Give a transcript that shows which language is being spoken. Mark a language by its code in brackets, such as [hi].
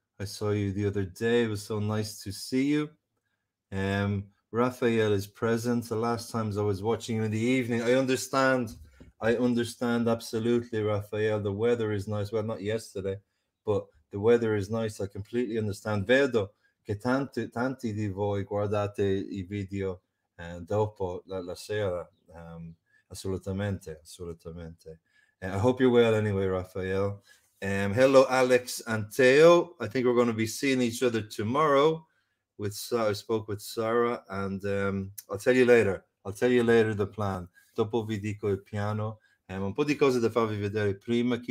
[en] I saw you the other day. It was so nice to see you. Raphael is present. The last times I was watching you in the evening. I understand. I understand absolutely, Raphael. The weather is nice. Well, not yesterday, but the weather is nice. I completely understand. [it] Vedo che tanti, tanti di voi guardate i video dopo la sera. Assolutamente, assolutamente. [en] I hope you're well anyway, Raphael. Hello, Alex and Theo. I think we're going to be seeing each other tomorrow. I spoke with Sarah, and I'll tell you later. I'll tell you later the plan. [it] Dopo vi dico il piano. Un po' di cose da farvi vedere prima.